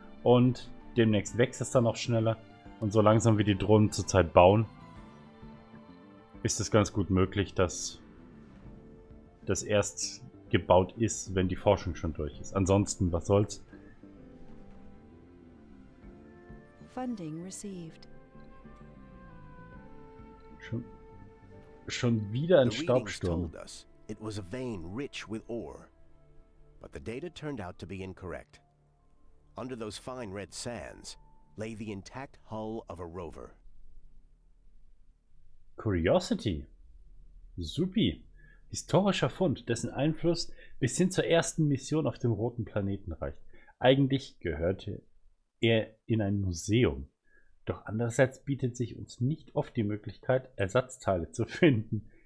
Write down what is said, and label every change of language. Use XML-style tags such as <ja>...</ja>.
<de>Und demnächst wächst es dann auch schneller. Und so langsam wie die Drohnen zurzeit bauen, ist es ganz gut möglich, dass das erst gebaut ist, wenn die Forschung schon durch ist. Ansonsten, was soll's?</de> <en>Funding received.</en> <de>Schon wieder ein Staubsturm.</de> <en>It was a vein rich with ore, but the data turned out to be incorrect. Under those fine red sands lay the intact hull of a rover.</en> <de>Curiosity. Supi. Historischer Fund, dessen Einfluss bis hin zur ersten Mission auf dem roten Planeten reicht. Eigentlich gehörte er in ein Museum. Doch andererseits bietet sich uns nicht oft die Möglichkeit, Ersatzteile zu finden.</de>